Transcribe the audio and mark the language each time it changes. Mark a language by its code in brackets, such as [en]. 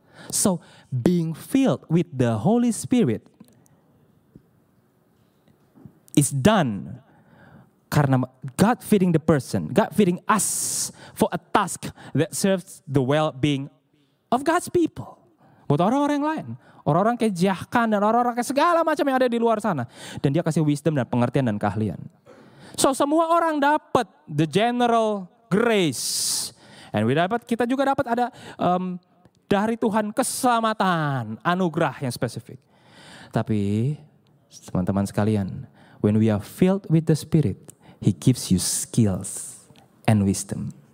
[en] So, being filled with the Holy Spirit is done. Karena God feeding the person, God feeding us for a task that serves the well-being of God's people. [id] Buat orang-orang yang lain, orang-orang kejahkan dan orang-orang ke segala macam yang ada di luar sana. Dan dia kasih wisdom dan pengertian dan keahlian. So semua orang dapat [en] the general grace. And we [id] dapat, kita juga dapat ada dari Tuhan keselamatan, anugerah yang spesifik. Tapi teman-teman sekalian, [en] when we are filled with the Spirit, He gives you skills and wisdom.